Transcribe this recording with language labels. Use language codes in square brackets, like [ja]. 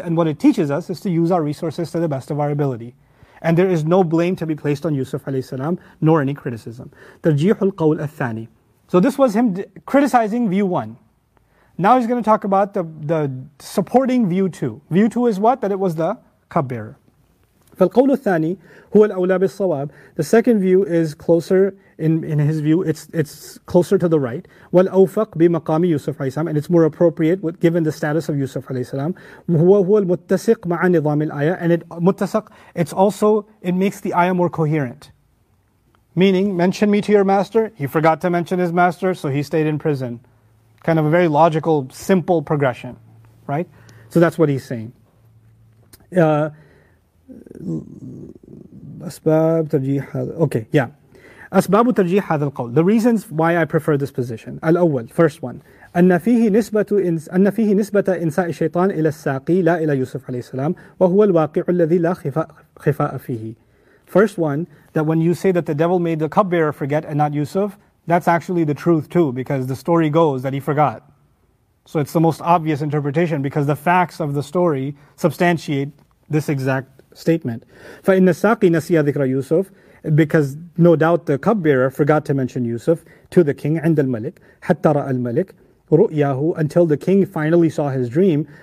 [en] And what it teaches us is to use our resources to the best of our ability. And there is no blame to be placed on Yusuf alayhi salam, nor any criticism. [ar] تَرْجِيحُ الْقَوْلِ الثَّانِي. [en] So this was him criticizing view one. Now he's going to talk about the supporting view two. View two is what? That it was the cupbearer. [ar] فالقول الثاني هو الأولى بالصواب. [en] The second view is closer in his view. It's closer to the right. [ar] والأوفق بمقام يوسف عليه السلام, [en] and it's more appropriate with, given the status of Yusuf عليه السلام. [ar] هو المتسق مع نظام الآية, and it متسق. [en] It's also it makes the ayah more coherent. Meaning, mention me to your master. He forgot to mention his master, so he stayed in prison. Kind of a very logical, simple progression, right? So that's what he's saying. [ar] أسباب ترجيح هذا. Okay, yeah. أسباب ترجيح هذا القول. [en] The reasons why I prefer this position. الأول, first one. [ar] أن فيه نسبة إنساء الشيطان إلى الساقي لا إلى يوسف عليه السلام وهو الواقع الذي لا خفاء فيه. [en] First one, that when you say that the devil made the cupbearer forget and not Yusuf, that's actually the truth too, because the story goes that he forgot. So it's the most obvious interpretation, because the facts of the story substantiate this exact statement. [ar] فَإِنَّ السَّاقِي نَسِيَ ذِكْرَ يُوسُفْ, [en] because no doubt the cupbearer forgot to mention Yusuf to the king, [ar] عند الملك, حَتَّ رَأَ الْمَلِكْ رُؤْيَاهُ, [en] until the king finally saw his dream.